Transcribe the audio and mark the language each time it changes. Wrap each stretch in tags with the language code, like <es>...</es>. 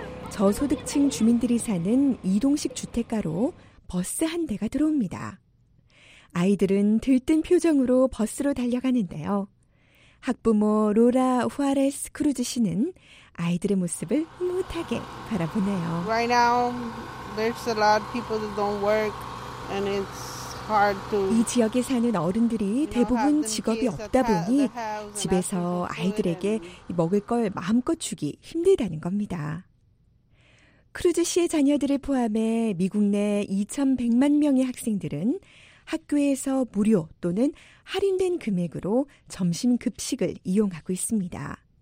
<ko>저소득층 주민들이 사는 이동식 주택가로 버스 한 대가 들어옵니다. 아이들은 들뜬 표정으로 버스로 달려가는데요. 학부모 로라 후아레스 크루즈 씨는 아이들의 모습을 흐뭇하게 바라보네요.</ko> <en>Right now, there's a lot of people that don't work, and it's</en> <ko>이 지역에 사는 어른들이 대부분 직업이 없다 보니 집에서 아이들에게 먹을 걸 마음껏 주기 힘들다는 겁니다. 크루즈 씨의 자녀들을 포함해 미국 내 2,100만 명의 학생들은 학교에서 무료 또는 할인된 금액으로 점심 급식을 이용하고 있습니다.</ko>